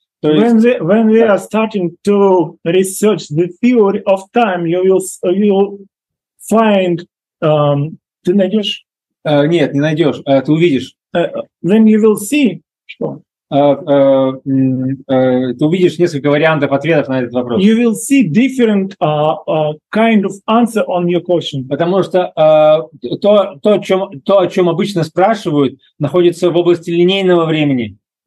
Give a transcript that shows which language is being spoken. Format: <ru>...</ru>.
<ru>То есть,</ru> <en>when we are starting to research the theory of time, you will find</en> <ru>ты найдешь? Нет, не найдешь. Ты увидишь.</ru> <en>Then you will see</en> <ru>что? Ты увидишь несколько вариантов ответов на этот вопрос.</ru> <en>You will see different kind of answer on your question.</en> <ru>Потому что о чем обычно спрашивают, находится в области линейного времени.</ru>